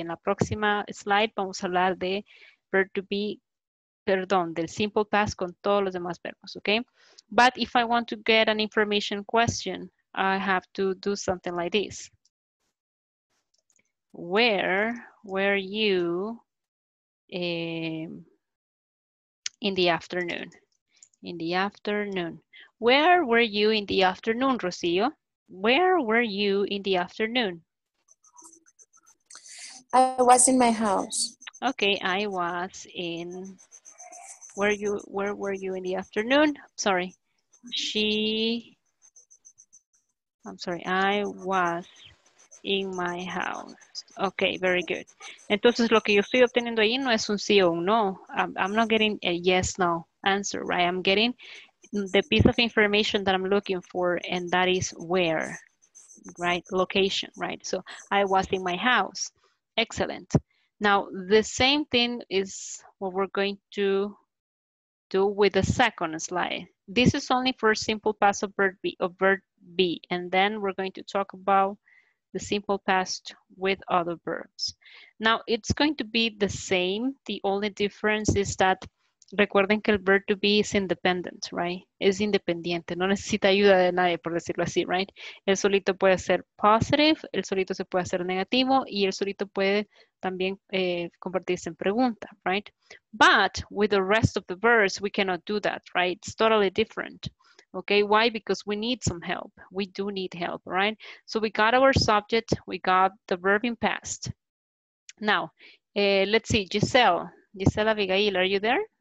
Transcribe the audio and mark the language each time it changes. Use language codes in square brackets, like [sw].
[es] En la próxima slide vamos a hablar de verb to be, perdón, del simple past con todos los demás verbos, okay? [en] But if I want to get an information question, I have to do something like this. Where were you in the afternoon? In the afternoon. Where were you in the afternoon, Rocío? Where were you in the afternoon? I was in my house. Okay, I was in, where were you in the afternoon? Sorry, I was in my house. Okay, very good. [es] Entonces, lo que yo estoy obteniendo ahí no es un sí o un no. [en] I'm not getting a yes, no answer, right? I'm getting the piece of information that I'm looking for, and that is where, right? Location, right? So I was in my house. Excellent. Now, the same thing is what we're going to do with the second slide. This is only for simple past of verb B, and then we're going to talk about the simple past with other verbs. Now, it's going to be the same. The only difference is that [es] recuerden que [en] el verb to be is independent, right? [es] Es independiente. No necesita ayuda de nadie, por decirlo así, right? El solito puede ser positive, el solito se puede hacer negativo, y el solito puede también convertirse en pregunta, right? [en] But with the rest of the verbs, we cannot do that, right? It's totally different, okay? Why? Because we need some help. We do need help, right? So we got our subject, we got the verb in past. Now, let's see, Giselle Abigail, are you there?